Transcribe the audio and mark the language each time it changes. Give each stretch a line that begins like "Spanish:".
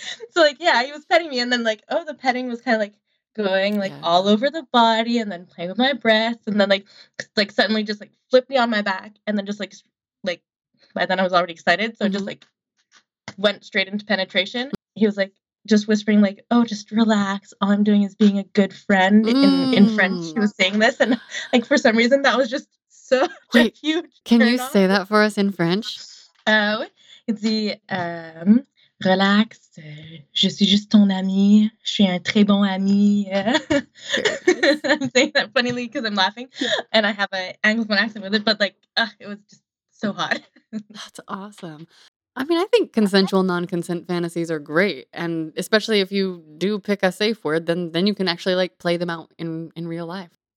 English: So yeah, he was petting me, and then like, oh, the petting was kind of like going like all over the body, and then playing with my breasts, and then like suddenly just like flip me on my back, and then just like by then I was already excited, so just like went straight into penetration. He was like just whispering like, oh, just relax, all I'm doing is being a good friend. In French he was saying this, and like for some reason that was just so Wait, a huge can you off. Say that for us in French? It's the relax,
French: je suis juste ton ami, je suis un très bon ami.
English: I'm saying that funnily because I'm laughing, and I have an Anglophone accent with it, but like, it was just so hot. That's awesome. I mean, I think consensual non-consent fantasies are great, and especially if you do pick a safe word, then you can actually like play them out in real life.